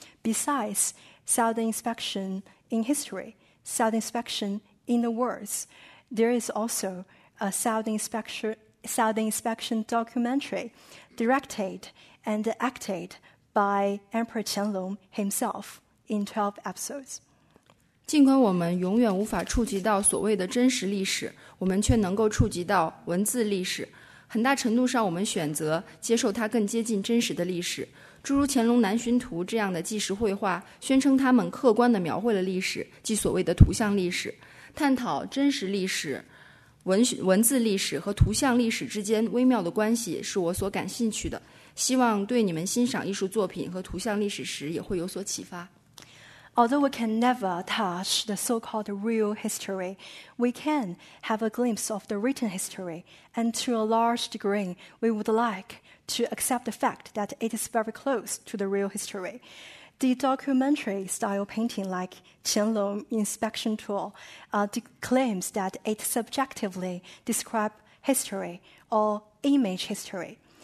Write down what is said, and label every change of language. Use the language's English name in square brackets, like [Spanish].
[English] Besides, Southern Inspection in history, Southern Inspection in the world, there is also a Southern Inspection documentary directed and acted by Emperor Qianlong himself in 12 episodes. [Chinese] 尽管我们永远无法触及到所谓的真实历史，我们却能够触及到文字历史。很大程度上，我们选择接受它更接近真实的历史。诸如乾隆南巡图这样的纪实绘画，宣称他们客观地描绘了历史，即所谓的图像历史，探讨真实历史、文字历史和图像历史之间微妙的关系，是我所感兴趣的。希望对你们欣赏艺术作品和图像历史时也会有所启发。 [English] Although we can never touch the so-called real history, we can have a glimpse of the written history, and to a large degree, we would like to accept the fact that it is very close to the real history. The documentary-style painting like Qianlong Inspection Tour claims that it subjectively describes history or image history.